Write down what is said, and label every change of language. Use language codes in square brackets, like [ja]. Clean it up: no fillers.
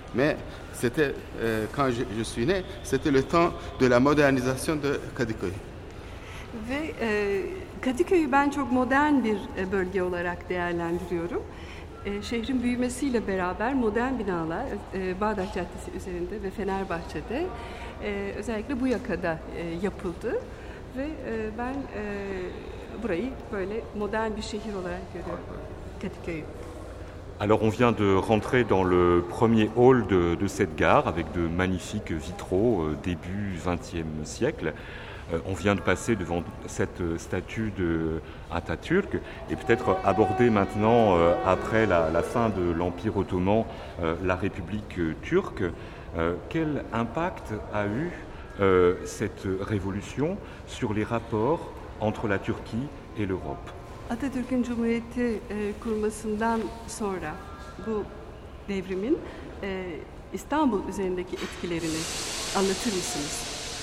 [fr] Mais c'était, quand je suis né, c'était le temps de la modernisation de Kadıköy. [tr] Ve Kadıköy'ü ben çok modern bir bölge olarak değerlendiriyorum. Şehrin büyümesiyle beraber modern binalar Bağdat Caddesi üzerinde ve Fenerbahçe'de özellikle bu yakada yapıldı. Ve ben burayı böyle modern bir şehir olarak görüyorum, Kadıköy'ü. [fr] Alors on vient de rentrer dans le premier hall de cette gare avec de magnifiques vitraux début 20e siècle. On vient de passer devant cette statue de Atatürk et peut-être aborder maintenant, après la fin de l'Empire ottoman, la République turque. Quel impact a eu cette révolution sur les rapports entre la Turquie et l'Europe ? [tr] Atatürk'ün Cumhuriyeti kurmasından sonra bu devrimin İstanbul üzerindeki etkilerini anlatır mısınız?